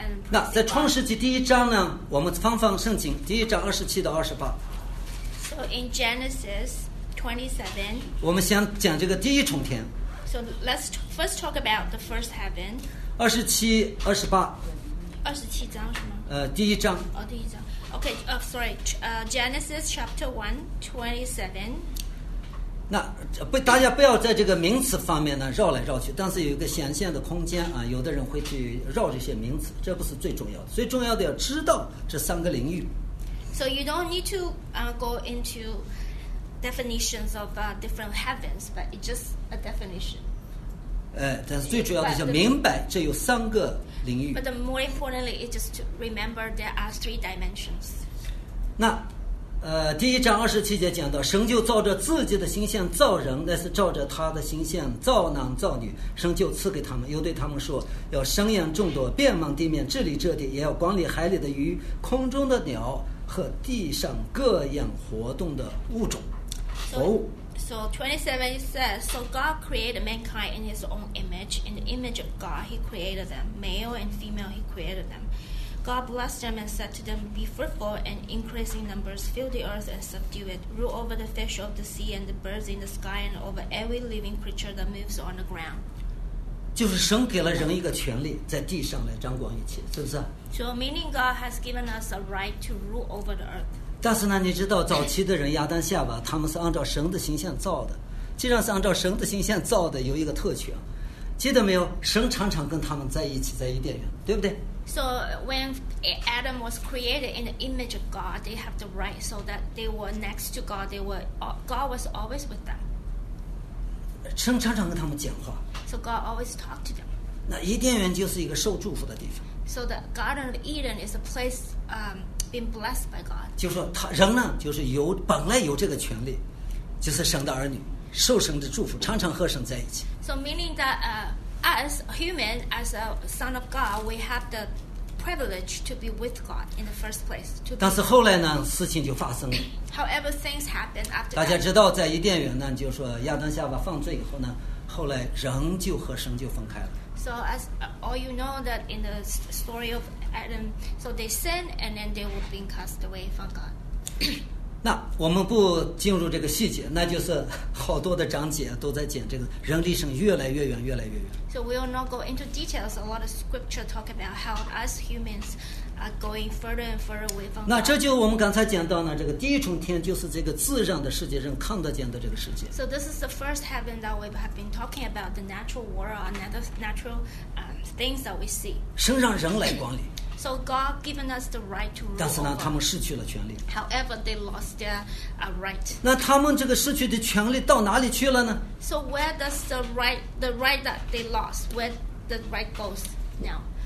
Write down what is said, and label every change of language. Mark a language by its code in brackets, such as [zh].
[zh] 那在创世纪第一章呢，我们翻翻圣经第一章27-28。 [en] So in Genesis 27. [zh] 我们先讲这个第一重天。 [en] So let's first talk about the first heaven. [zh] 27-28。 27章是吗？第一章。哦，第一章。 [en] Okay, sorry. Genesis chapter 1:27. [zh] 那不，大家不要在这个名词方面呢绕来绕去，但是有一个显现的空间啊，有的人会去绕这些名词，这不是最重要的，最重要的要知道这三个领域。 [en] So you don't need to go into definitions of different heavens, but it's just a definition. [zh] 但是最主要的是明白这有三个领域。 [en] But the more importantly is just to remember there are three dimensions. [zh] 那第一章27节讲到，神就照着自己的形象造人，乃是照着他的形象造男造女，神就赐给他们，又对他们说，要生养众多，遍满地面，治理这地，也要管理海里的鱼、空中的鸟和地上各样活动的物种。 [en] So 27 says, So God created mankind in his own image, in the image of God he created them, male and female he created them. God blessed them and said to them, Be fruitful and increase in numbers, fill the earth and subdue it, rule over the fish of the sea and the birds in the sky and over every living creature that moves on the ground. [zh] 就是神给了人一个权利在地上来掌管一切，是不是？ [en] So meaning God has given us a right to rule over the earth. [zh] 但是呢，你知道早期的人亚当夏娃，他们是按照神的形象造的，既然是按照神的形象造的，有一个特权，记得没有？神常常跟他们在一起，在伊甸园，对不对？ [en] So when Adam was created in the image of God, they have the right so that they were next to God. God was always with them. [zh] 神常常跟他们讲话。 [en] So God always talked to them. [zh] 那伊甸园就是一个受祝福的地方。 [en] So the Garden of Eden is a place being blessed by God. [zh] 就说他人呢，就是有本来有这个权利，就是神的儿女，受神的祝福，常常和神在一起。 [en] So meaning that As human, as a son of God, we have the privilege to be with God in the first place. [zh] 但是后来呢，事情就发生了。 [en] However, things happen after. [zh] 大家知道，在伊甸园呢，就说亚当夏娃犯罪以后呢，后来人就和神就分开了。 [en] So as all you know that in the story of Adam, so they sin and then they were being cast away from God. [zh] 那我们不进入这个细节，那就是好多的章节都在讲这个人离神越来越远，越来越远。 [en] So we will not go into details. A lot of scripture talk about how us humans are going further and further away from. [zh] 那这就我们刚才讲到呢，这个第一重天就是这个自然的世界，人看得见的这个世界。 [en] So this is the first heaven that we have been talking about, the natural world, another natural things that we see. [zh] 神让人来管理。 [en] So God given us the right to rule. [zh] 但是呢，他们失去了权利。 [en] However, they lost their right. [zh] 那他们这个失去的权利到哪里去了呢？ [en] So where does the right that they lost, where the right goes now?